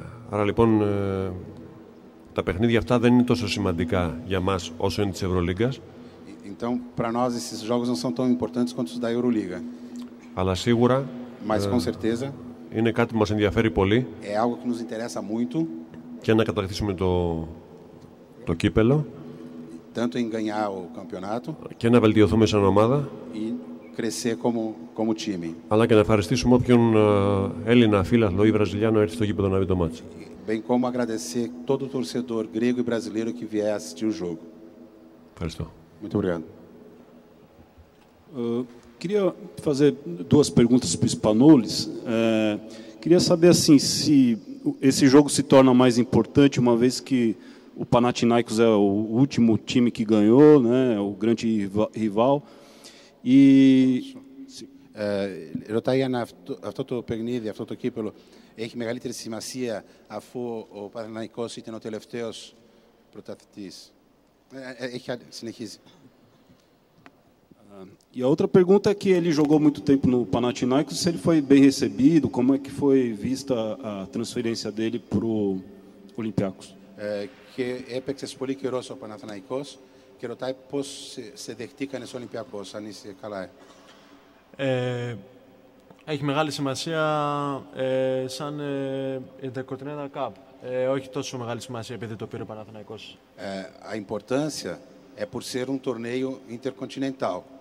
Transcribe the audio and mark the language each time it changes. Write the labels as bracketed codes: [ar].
[el] Άρα λοιπόν τα παιχνίδια αυτά δεν είναι τόσο σημαντικά για μας όσο είναι της Ευρωλίγκας. [pt] Então para nós esses jogos não são tão importantes quanto os da Euroliga. [el] Αλλά σίγουρα. [pt] Mas com certeza. [el] Είναι κάτι που μας ενδιαφέρει πολύ. [pt] É algo que nos interessa muito. [el] Και να κατακτήσουμε το κύπελο. [pt] Tanto em ganhar o campeonato. [el] Και να βελτιωθούμε σαν ομάδα. [pt] E crescer como time. [el] Αλλά και να ευχαριστήσουμε όποιον Έλληνα φίλαθλο ή Βραζιλιάνο έρθει στο κύπελο να δει το μάτς. [pt] Bem como agradecer todo o torcedor grego e brasileiro que vier assistir o jogo. [el] Ευχαριστώ. [pt] Muito obrigado. Queria fazer duas perguntas para o Spanoulis. Queria saber assim, se esse jogo se torna mais importante, uma vez que o Panathinaikos é o último time que ganhou, né, o grande rival. E... Eu estou aí, [el] αυτό το παιχνίδι, αυτό το κύπελο, έχει μεγαλύτερη σημασία αφού ο Παναθηναϊκός ήταν ο τελευταίος πρωταθλητής. Συνεχίζει. [pt] E a outra pergunta é que ele jogou muito tempo no Panathinaikos, se ele foi bem recebido, como é que foi vista a transferência dele para o Olympiacos? [el] Que έπαιξε πολύ καιρό στο Panathinaikos και ρωτάει πώς σε δεχτήκαν στο Olympiacos, αν είσαι καλά. Έχει μεγάλη σημασία σαν Intercontinental Cup. Όχι τόσο μεγάλη σημασία επειδή το πήρε ο Panathinaikos. [pt] A importância é por ser um torneio intercontinental.